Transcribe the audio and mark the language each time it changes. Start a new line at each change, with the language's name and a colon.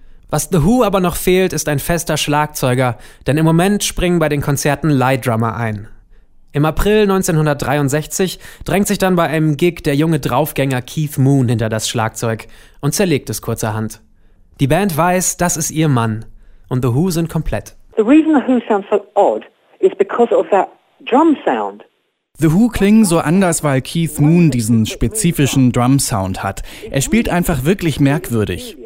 German: Was The Who aber noch fehlt, ist ein fester Schlagzeuger, denn im Moment springen bei den Konzerten Lightdrummer ein. Im April 1963 drängt sich dann bei einem Gig der junge Draufgänger Keith Moon hinter das Schlagzeug und zerlegt es kurzerhand. Die Band weiß, das ist ihr Mann und The Who sind komplett.
English: The reason The Who sounds so odd is because of that drum sound.
German: The Who klingen so anders, weil Keith Moon diesen spezifischen Drum-Sound hat. Er spielt einfach wirklich merkwürdig.